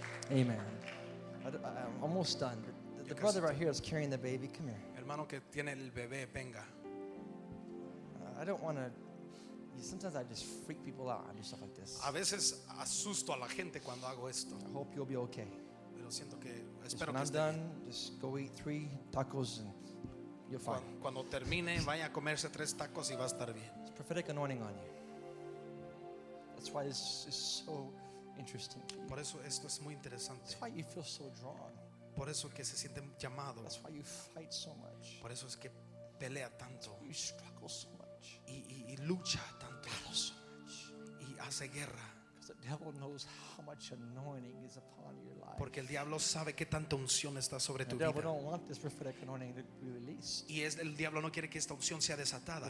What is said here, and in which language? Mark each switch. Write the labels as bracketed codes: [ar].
[en] Amen. I'm almost done. The brother right here is carrying the baby. Come here. [es] Hermano que tiene el bebé, venga. [en] I don't want to. Sometimes I just freak people out. I do stuff like this. [es] A veces asusto a la gente cuando hago esto. [en] I hope you'll be okay. [es] Pero siento que espero que esté bien. [en] Just go eat 3 tacos and you're fine. [es] Cuando termine, vaya a comerse 3 tacos y va a estar bien. [en] It's prophetic anointing on you. That's why this is so. Interesting. [es] Por eso esto es muy interesante. [en] That's why you feel so drawn. [es] Por eso que se siente llamado. [en] That's why you fight so much. [es] Por eso es que pelea tanto. [en] You struggle so much. [es] Y lucha tanto. [en] Battle so much. [es] Y hace guerra. [en] Because the devil knows how much anointing is upon your life. [es] Porque el diablo sabe qué tanta unción está sobre tu vida. [en] The devil don't want this prophetic anointing to be released. [es] Y es el diablo no quiere que esta unción sea desatada.